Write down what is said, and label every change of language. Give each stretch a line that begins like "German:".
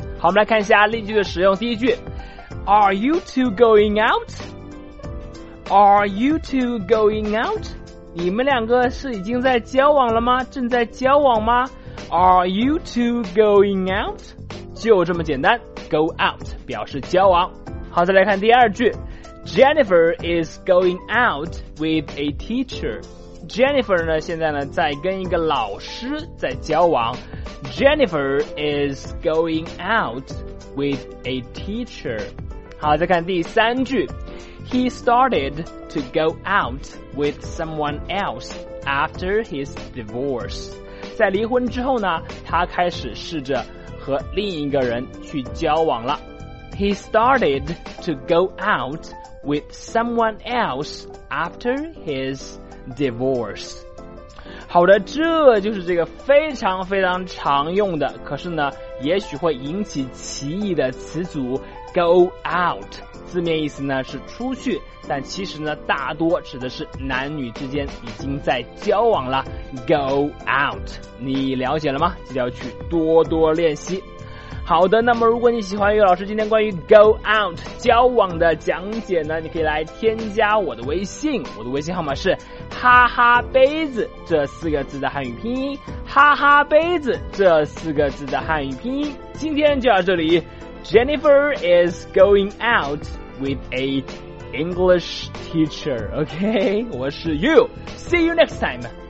Chinese: 好，我们来看一下例句的使用。第一句，
English: Are you two going out? Are you two going out?
Chinese: 你们两个是已经在交往了吗？正在交往吗？
English: Are you two going out?
Chinese: 就这么简单， go out 表示交往。好，再来看第二句，
English: Jennifer is going out with a teacher。
Chinese: Jennifer 呢，现在呢在跟一个老师在交往。
English: Jennifer is going out with a teacher。
Chinese: 好，再看第三句。
English: He started to go out with someone else after his divorce。
Chinese: 在离婚之后呢，他开始试着和另一个人去交往了。
English: He started to go out with someone else after his divorce。
Chinese: 好的，这就是这个非常非常常用的，可是呢也许会引起歧义的词组 go out。字面意思呢是出去，但其实呢大多指的是男女之间已经在交往了， go out。你了解了吗？记得要去多多练习。好的，那么如果你喜欢悠悠老师今天关于 go out 交往的讲解呢，你可以来添加我的微信，我的微信号码是哈哈杯子这四个字的汉语拼音，哈哈杯子这四个字的汉语拼音。今天就到这里，
English: Jennifer is going out with a English teacher， OK，
Chinese: 我是
English: you， See you next time。